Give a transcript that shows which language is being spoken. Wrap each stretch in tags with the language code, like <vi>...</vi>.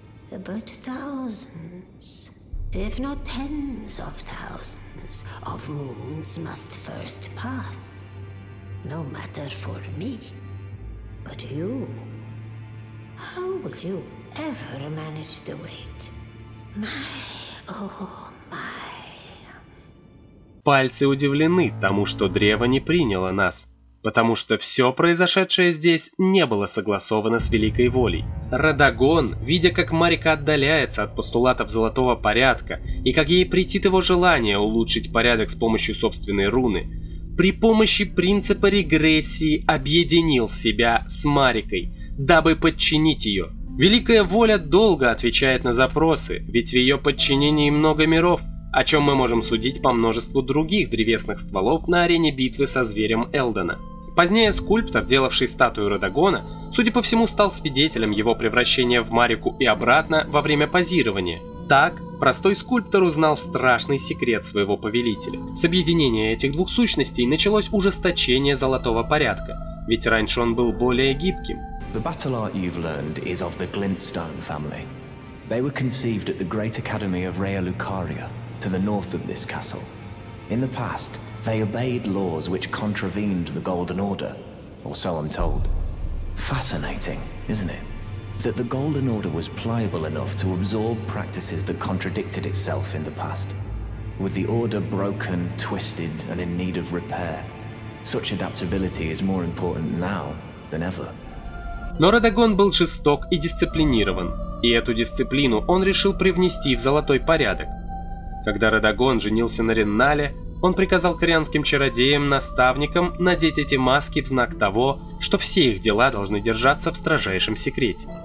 <en>But thousands, if not tens of thousands, of moons must first pass. No matter for me, but you. How will you ever manage to wait? My, oh my.</en> <ru>Пальцы удивлены тому, что древо не приняло нас, потому что все произошедшее здесь не было согласовано с Великой Волей. Радагон, видя, как Марика отдаляется от постулатов Золотого Порядка и как ей претит его желание улучшить порядок с помощью собственной руны, при помощи принципа регрессии объединил себя с Марикой, дабы подчинить ее. Великая Воля долго отвечает на запросы, ведь в ее подчинении много миров, о чем мы можем судить по множеству других древесных стволов на арене битвы со зверем Элдена. Позднее скульптор, делавший статую Радагона, судя по всему, стал свидетелем его превращения в Марику и обратно во время позирования. Так, простой скульптор узнал страшный секрет своего повелителя. С объединения этих двух сущностей началось ужесточение золотого порядка, ведь раньше он был более гибким.</ru> <en>The battle art you've learned is of the Glintstone family. They were conceived at the Great Academy of Rhea Lucaria, to the north of this castle. In the past, they obeyed laws which contravened the Golden Order, or so I'm told. Fascinating, isn't it? That the Golden Order was pliable enough to absorb practices that contradicted itself in the past. With the Order broken, twisted, and in need of repair, such adaptability is more important now than ever.</en> <ru>Но Радагон был жесток и дисциплинирован, и эту дисциплину он решил привнести в золотой порядок. Когда Радагон женился на Реннале, он приказал корианским чародеям-наставникам надеть эти маски в знак того, что все их дела должны держаться в строжайшем секрете.</ru>